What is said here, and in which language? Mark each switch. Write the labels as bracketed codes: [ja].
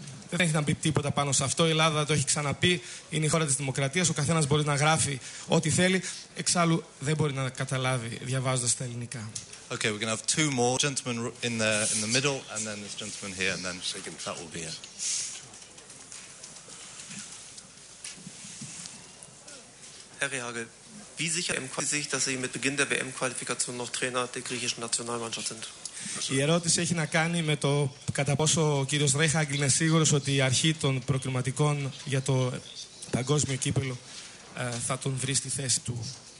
[el] Δεν έχει να πει τίποτα πάνω σε αυτό. Η Ελλάδα το έχει ξαναπεί. Είναι η χώρα της δημοκρατίας. Ο καθένας μπορεί να γράφει ό,τι θέλει. Εξάλλου δεν μπορεί να καταλάβει διαβάζοντας τα ελληνικά. [en] Okay, we're going to have two more gentlemen in the middle and then this gentleman here and then second that will be it. [de] Herr Rehagel, wie sicher sind Sie, dass Sie mit Beginn der WM-Qualifikation noch Trainer der griechischen Nationalmannschaft sind? [el] Η ερώτηση έχει να κάνει με το κατά πόσο ο κύριος Ρέχαγκλ είναι σίγουρος ότι η αρχή των προκριματικών για το παγκόσμιο κύπελλο θα τον βρει στη θέση του.